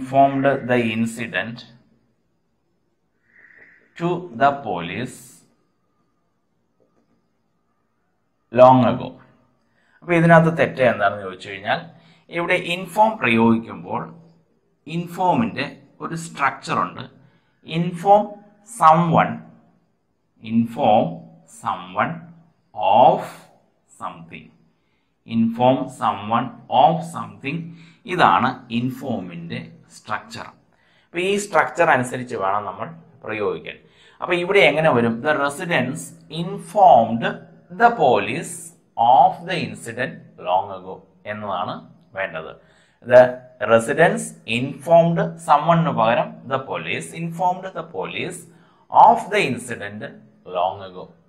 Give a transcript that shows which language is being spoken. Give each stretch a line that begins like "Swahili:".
English: The police informed the incident to the police long ago.
Malayalam: അപ്പോൾ ഇതിനകത്ത് തെറ്റ് എന്താണെന്ന് ചോദിച്ചു കഴിഞ്ഞാൽ, ഇവിടെ ഇൻഫോം പ്രയോഗിക്കുമ്പോൾ ഇൻഫോമിൻ്റെ ഒരു സ്ട്രക്ചറുണ്ട്.
English: Inform someone, inform someone of something. Inform someone of something.
Malayalam: ഇതാണ് ഇൻഫോമിൻ്റെ സ്ട്രക്ചർ. അപ്പോൾ ഈ സ്ട്രക്ചർ അനുസരിച്ച് വേണം നമ്മൾ പ്രയോഗിക്കാൻ. അപ്പോൾ ഇവിടെ എങ്ങനെ വരും?
English: the residence informed the police of the incident long ago
Malayalam: എന്നതാണ് വേണ്ടത്.
English: the residence informed
Malayalam: സംവണ്ണു പകരം
English: The police informed the police of the incident long ago.